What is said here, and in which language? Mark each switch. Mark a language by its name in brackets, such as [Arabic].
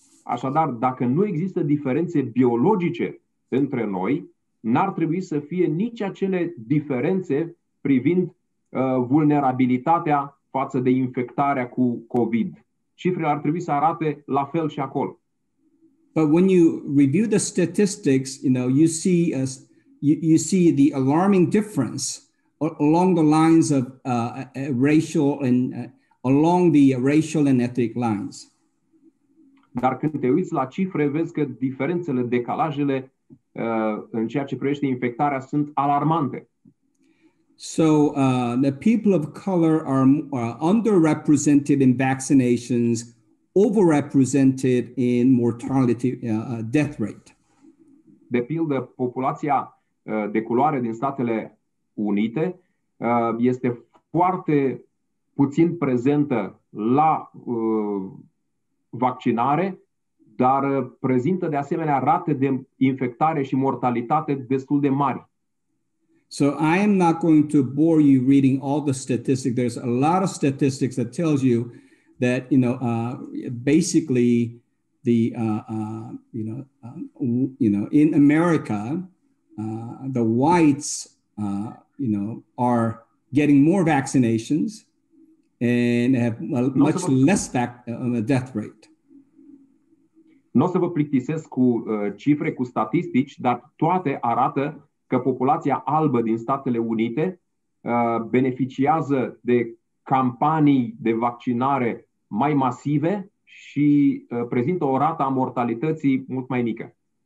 [Romanian] Așadar, dacă nu există diferențe biologice între noi, n-ar trebui să fie nici acele diferențe privind vulnerabilitatea față de infectarea cu COVID. Cifrele ar trebui să arate la fel și acolo. [English] But when you review the statistics, you see you see the alarming difference along the lines of racial and along the racial and ethnic lines. [Romanian] Dar când te uiți la cifre, vezi că diferențele, decalajele în ceea ce privește infectarea sunt alarmante. [English] So the people of color are underrepresented in vaccinations, overrepresented in mortality death rate. [Romanian] De pildă, populația de culoare din Statele Unite este foarte puțin prezentă la vaccinare, dar prezintă de asemenea rate de infectare și mortalitate destul de mari. [English] So I am not going to bore you reading all the statistics. There's a lot of statistics that tells you that, basically the, in America, the whites, are getting more vaccinations and have a much less death rate. [Romanian] N-o să vă plictisesc cu cifre, cu statistici, dar toate arată că populația albă din Statele Unite beneficiază de campanii de vaccinare mai masive și prezintă o rată a mortalității mult mai mică.